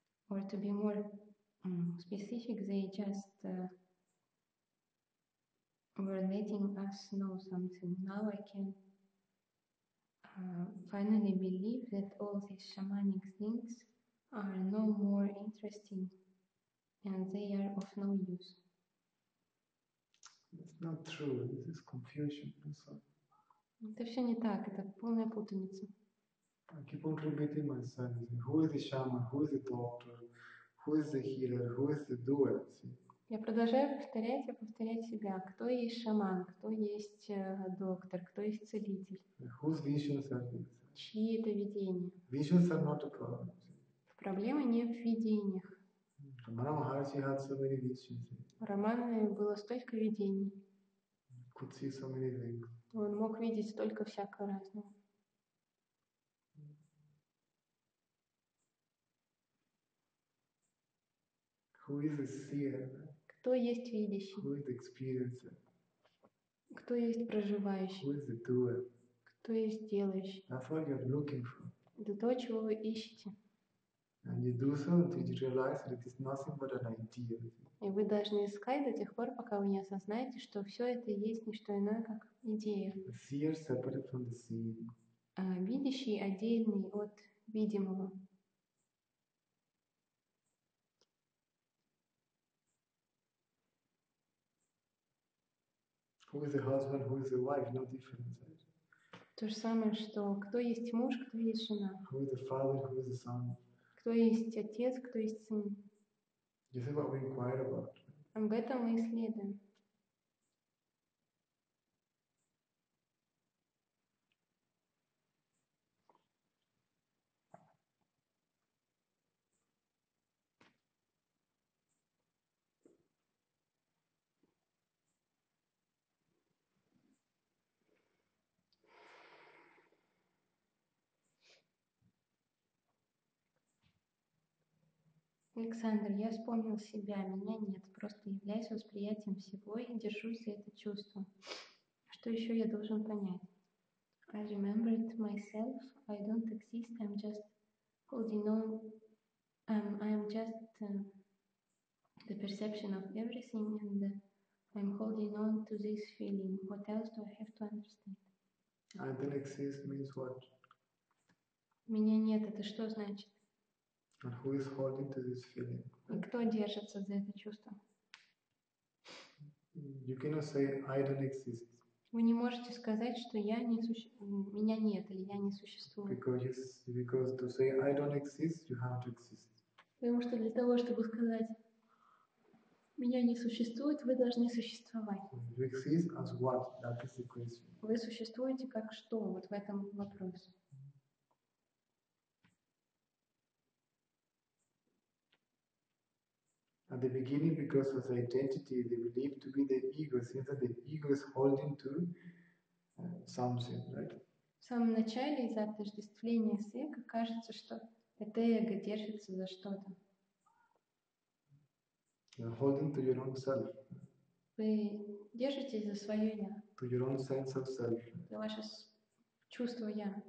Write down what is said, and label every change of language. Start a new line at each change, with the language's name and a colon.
English: Or to be more specific, they just were letting us know something. Now I can finally believe that all these shamanic things are no more interesting and they are of no use. It's not true, this is confusion.
Ukrainian: Це все не так, це повна путаниця.
English: I keep on repeating myself. Who is the shaman? Who is the doctor? Who is the healer? Who is the doer?
Ukrainian: Я продовжую повторять і повторять себе. Хто є шаман? Хто є доктор? Хто є целитель?
English: Whose visions are these?
Ukrainian: Чиї це видіння?
English: Visions are not a problem.
Ukrainian: Проблема не в видіннях.
English: Рамана Махарджі had so many visions.
Ukrainian: У Рамани було стільки видінь.
English: Could see so many things.
Ukrainian: Він мог видіти стільки всякого разного.
English: Who is a seer?
Russian: Кто есть видящий?
English: Who is the experiencer?
Russian: Кто есть проживающий?
English: Who is the doer?
Russian: Кто есть делающий?
English: That's what you're looking for.
Russian: Это то, чего вы ищете.
English: And you do so until you realize that it is nothing but an idea.
Russian: И вы должны искать до тех пор, пока вы не осознаете, что все это есть не что иное, как идея.
English: The seer separate from the seeing.
Russian: А видящий отдельный от видимого.
English: Who is the husband, who is the wife, no difference.
Russian: То же самое, что кто есть муж, кто есть жена.
English: Who is the father, who is the son.
Russian: Кто есть отец, кто есть сын.
English: This is what we inquire about.
Russian: Об этом мы исследуем. Александр, я вспомнил себя, меня нет, просто являюсь восприятием всего и держусь за это чувство. Что еще я должен понять?
English: I remembered myself, I don't exist, I'm just holding on, I'm just the perception of everything and I'm holding on to this feeling. What else do I have to understand? I don't exist means what?
Russian: Меня нет, это что значит?
English: And who is holding to this feeling?
Russian: И кто держится за это чувство?
English: You cannot say I don't exist.
Russian: Вы не можете сказать, что я не меня нет или я не существую.
English: Because to say I don't exist, you have to exist.
Russian: Потому что для того, чтобы сказать меня не существует, вы должны существовать.
English: You exist as what? That is the question.
Russian: Вы существуете как что? Вот в этом вопросе.
English: At the beginning, because of the identity, they believe to be the ego, since that the ego is holding to something, right?
Russian: В самом начале из-за отождествления с эго кажется, что это эго держится за что-то.
English: You're holding to your own self.
Russian: Вы держитесь за свое я.
English: To your own sense of self.
Russian: За ваше чувство я.